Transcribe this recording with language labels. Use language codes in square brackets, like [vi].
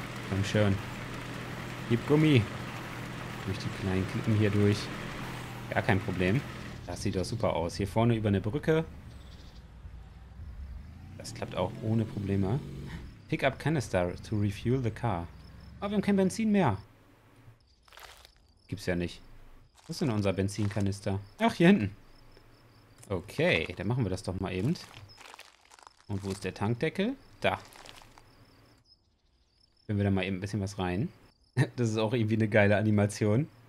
[de] Komm schön. Gib Gummi. Durch die kleinen Klippen hier durch. Gar kein Problem. Das sieht doch super aus. Hier vorne über eine Brücke. Das klappt auch ohne Probleme. [en] Pick up canister to refuel the car. [de] Oh, wir haben kein Benzin mehr. Gibt's ja nicht. Was ist denn unser Benzinkanister? Ach, hier hinten. Okay, dann machen wir das doch mal eben. Und wo ist der Tankdeckel? Da. Füllen wir da mal eben ein bisschen was rein. Das ist auch irgendwie eine geile Animation.